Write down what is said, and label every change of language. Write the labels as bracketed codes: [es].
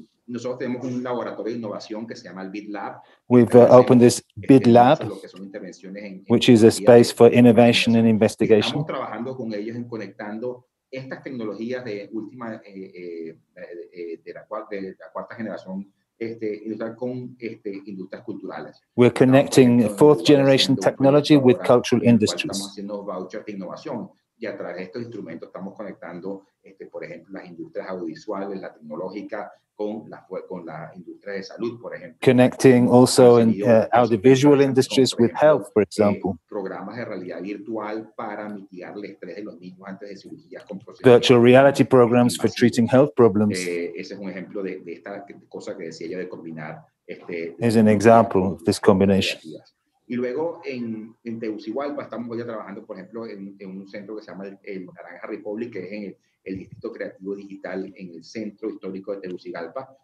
[es] Nosotros tenemos un laboratorio de innovación que se llama el BitLab. [en] We've opened this BitLab, which is a space for innovation and investigation. [es] Estamos trabajando con ellos en conectando estas tecnologías de última de la cuarta generación con industrias culturales. [en] We're connecting fourth generation technology with cultural industries. [es] Estamos haciendo vouchers de innovación y a través de estos instrumentos estamos conectando por ejemplo las industrias audiovisuales, la tecnológica con la industria de salud, por ejemplo. [en] Connecting also in audiovisual industries with health, for example. [es] Programas de realidad virtual para mitigar el estrés de los niños antes de cirugías con procedimientos. [en] Virtual reality programs for treating health problems. [es] Ese es un ejemplo de esta cosa que decía yo de combinar [en] is an example of this combination. [es] Y luego en Tegucigalpa estamos ya trabajando, por ejemplo, en un centro que se llama el Naranja Republic, que es en el Distrito Creativo Digital en el Centro Histórico de Tegucigalpa.